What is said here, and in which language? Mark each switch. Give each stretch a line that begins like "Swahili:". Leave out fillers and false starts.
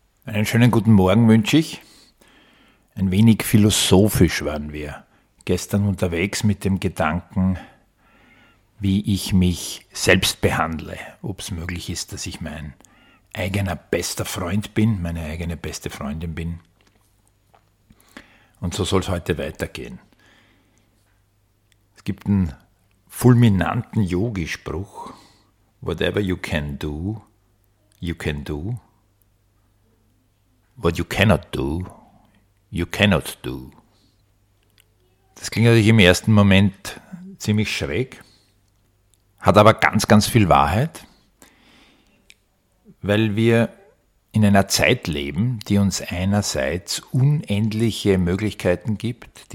German: Einen schönen guten Morgen wünsche ich. Ein wenig philosophisch waren wir gestern unterwegs mit dem Gedanken, wie ich mich selbst behandle, ob es möglich ist, dass ich mein eigener bester Freund bin, meine eigene beste Freundin bin. Und so soll es heute weitergehen. Es gibt einen fulminanten Yogi-Spruch:
English: Whatever you can do, you can do. What you cannot do, you cannot do.
German: Das klingt natürlich im ersten Moment ziemlich schräg, hat aber ganz, ganz viel Wahrheit, weil wir in einer Zeit leben, die uns einerseits unendliche Möglichkeiten gibt.